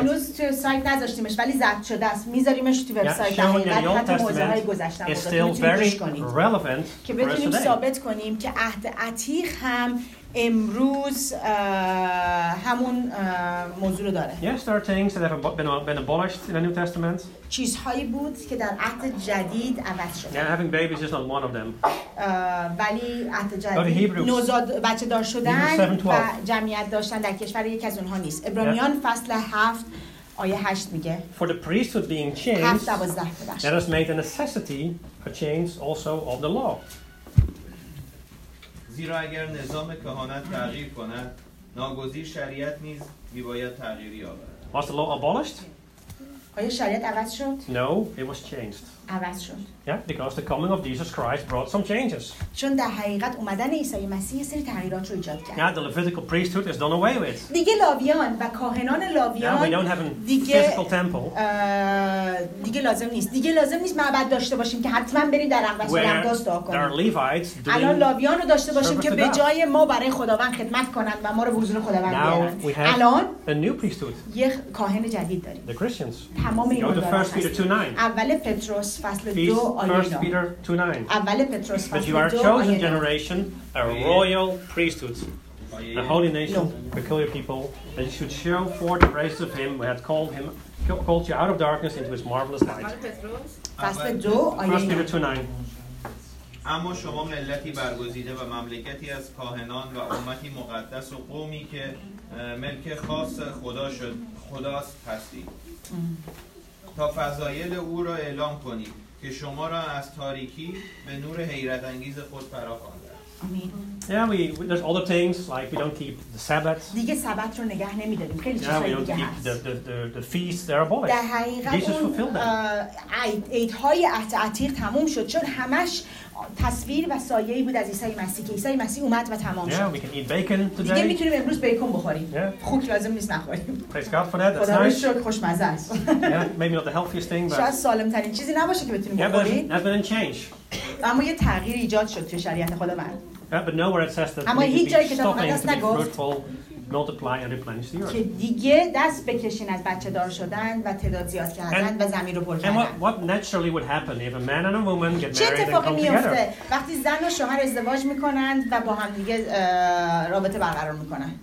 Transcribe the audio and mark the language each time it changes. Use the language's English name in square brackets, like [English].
[Persian] هنوز تو سایت نذاشتیمش ولی ضبط شده است. میذاریمش تو وبسایت. [English] The Old Testament is still very relevant for us today. [Persian] که بتونیم ثابت کنیم که عهد عتیق هم امروز همون موضوع رو داره. [English] Yes, there are things that have been abolished in the New Testament. [Persian] چیزهایی بود که در عهد جدید عوض شد. [English] Yeah, having babies is not one of them. [Persian] ولی عهد جدید نوزاد بچه دار شدن و جمعیت داشتن در کشور یک از اونها نیست. عبرانیان فصل 7 آیه 8 میگه. [English] For the priesthood being changed, that has made a necessity a change also of the law. [Persian] زیرا اگر نظام کهانت تغییر کند ناگزیر شریعت نیز میباید تغییر یابد. [English] Was the law abolished? [Persian] آیا شریعت عوض شد؟ [English] No, it was changed. [Persian] عوض شد. [English] Yeah, because the coming of Jesus Christ brought some changes. [Persian] چون در حقیقت اومدن عیسی مسیح سری تغییرات رو ایجاد کرد. [English] Yeah, the Levitical priesthood is done away with. [Persian] دیگه لاویان و کاهنان لاویان [English] Yeah, we don't have a physical temple. [Persian] دیگه لازم نیست. دیگه لازم نیست معبد داشته باشیم که حتما بریم در اقدس اقداس دعا کنیم. [English] Where are Levites doing? [Persian] الان لاویان رو داشته باشیم که به جای ما برای خداوند خدمت کنن و ما رو به حضور خداوند بیارن. [English] Now we have a new priesthood. [Persian] یک کاهن جدید داریم. [English] The Christians. [Persian] تمام اینا. [English] First Peter 2:9. [Persian] اول پتروس فصل 2 [English] 1 Peter 2:9. But you are a chosen generation, a royal priesthood, a holy nation, peculiar people, that you should show forth the praise of Him who had called you out of darkness into His marvelous light. 1 Peter 2:9. [Persian] اما شما ملتی برگزیده و مملکتی از کاهنان و امتی مقدس و قومی که ملک خاص خدا شد خداست هستید تا فضایل او را اعلام کنید که شما را از تاریکی به نور حیرت انگیز خود فرا خوانده. [English] Yeah, there's other things like we don't keep the Sabbath. [Persian] دیگه سبت رو نگه نمی‌داریم. خیلی چیزایی دیگه. [English] Yeah, we don't keep the feasts. They're abolished. [Persian] در حقیقت [English] Jesus fulfilled them. [Persian] عیدهای عهد عتیق تموم شد چون همش تصویر و سایه‌ای بود از عیسی مسیح. عیسی مسیح اومد و تمام شد. [English] Yeah, we can eat bacon today. [Persian] دیگه می‌تونیم امروز بیکن بخوریم. خوک لازم نیست نخوریم. [English] Praise God for that. That's [Persian] nice. خدا رو شکر خوشمزه است. [English] Yeah, maybe not the healthiest thing, but. [Persian] شاید سالم‌ترین چیزی نباشه که بتونیم بخوریم. [English] Yeah, but it hasn't changed. [Persian] اما یه تغییر ایجاد شد توی شریعت خداوند. [English] Yeah, but nowhere it says that we need to be stopping to be fruitful, multiply and replenish the earth. [Persian] که دیگه دست بکشین از بچه دار شدن و تعداد زیاد کردن و زمین رو پر کردن. [English] And what naturally would happen if a man and a woman get married and come [Persian] میفته [English] together? [Persian] وقتی زن و شوهر ازدواج میکنن و با هم دیگه رابطه برقرار میکنن.